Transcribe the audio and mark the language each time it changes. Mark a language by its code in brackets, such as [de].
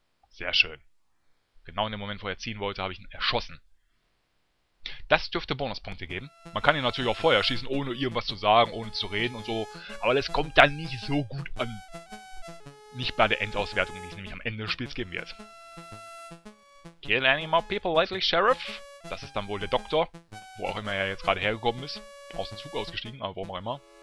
[de] Sehr schön. Genau in dem Moment, wo er ziehen wollte, habe ich ihn erschossen. Das dürfte Bonuspunkte geben. Man kann ihn natürlich auch Feuer schießen, ohne irgendwas zu sagen, ohne zu reden und so. Aber das kommt dann nicht so gut an. Nicht bei der Endauswertung, die es nämlich am Ende des Spiels geben wird. [en] Kill any more people lately, Sheriff? [de] Das ist dann wohl der Doktor. Wo auch immer er jetzt gerade hergekommen ist. Aus dem Zug ausgestiegen, aber warum auch immer.